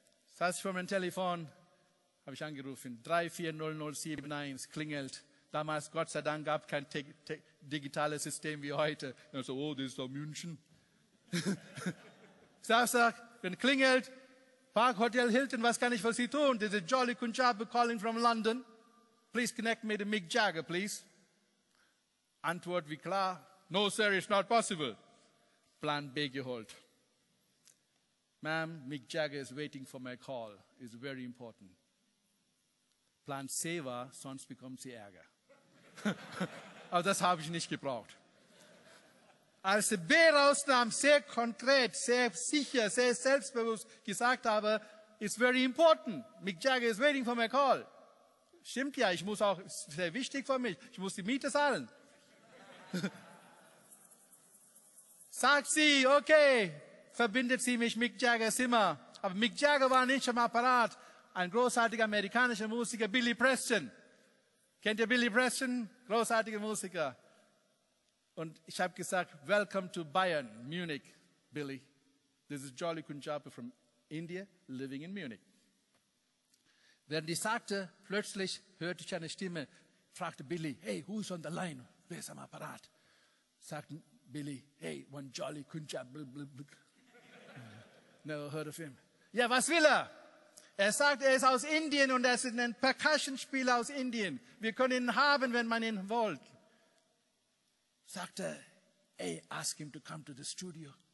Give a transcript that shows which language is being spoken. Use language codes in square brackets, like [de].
[de] Das heißt, ich von meinem Telefon habe ich angerufen. 340071 klingelt. Damals, Gott sei Dank, gab es kein digitales System wie heute. Ich so, oh, das ist doch München. Samstag, wenn klingelt, Park Hotel Hilton, was kann ich für Sie tun? [en] This is Jolly Kunjabi calling from London. Please connect me to Mick Jagger, please. [de] Antwort wie klar, [en] no sir, it's not possible. [de] Plan B geholt. [en] Ma'am, Mick Jagger is waiting for my call. It's very important. [de] Plan C war, sonst bekommt sie Ärger. Aber das habe ich nicht gebraucht. Als B rausnahm, sehr konkret, sehr sicher, sehr selbstbewusst gesagt habe, [en] it's very important. Mick Jagger is waiting for my call. [de] Stimmt ja, ich muss auch, sehr wichtig für mich, ich muss die Miete zahlen. Sagt sie, okay, verbindet sie mich Mick Jagger Zimmer. Aber Mick Jagger war nicht im Apparat. Ein großartiger amerikanischer Musiker, Billy Preston. Kennt ihr Billy Preston? Großartiger Musiker. Und ich habe gesagt, [en] welcome to Bayern, Munich, Billy. [de] This is Jolly Kunjabi from India, living in Munich. Während ich sagte, plötzlich hörte ich eine Stimme, fragte Billy, [en] hey, who is on the line? [de] Wer ist am Apparat? Sagt Billy, [en] hey, one Jolly Kunjabi. Never heard of him. [de] Ja, was will er? Er sagt, er ist aus Indien und er ist ein Percussionspieler aus Indien. Wir können ihn haben, wenn man ihn wollt. Sagte, [en] hey, ask him to come to the studio.